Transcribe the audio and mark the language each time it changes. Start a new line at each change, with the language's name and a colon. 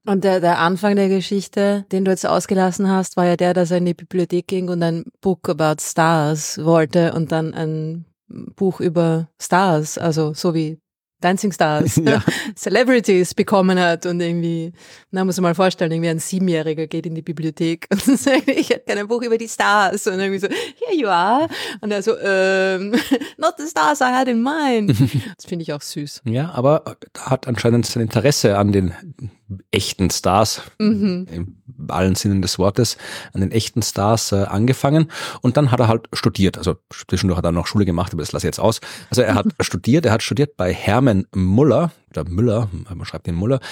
German: Und der Anfang der Geschichte, den du jetzt ausgelassen hast, war ja der, dass er in die Bibliothek ging und ein
English: Book about Stars
German: wollte und dann ein Buch über Stars, also so wie Dancing Stars, ja. Celebrities bekommen hat und irgendwie, na, muss man mal vorstellen, irgendwie ein 7-Jähriger geht in die Bibliothek und sagt, ich hätte gerne ein Buch über die Stars und irgendwie so,
English: here you are.
German: Und er so,
English: not the stars I had in mind.
German: Das finde ich auch süß. Ja, aber er hat anscheinend sein Interesse an den echten Stars, im allen Sinnen des Wortes, an den echten Stars angefangen. Und dann hat er halt studiert. Also zwischendurch hat er noch Schule gemacht, aber das lasse ich jetzt aus. Also er hat studiert. Er hat studiert bei Hermann Müller. Oder Müller, man schreibt den Müller.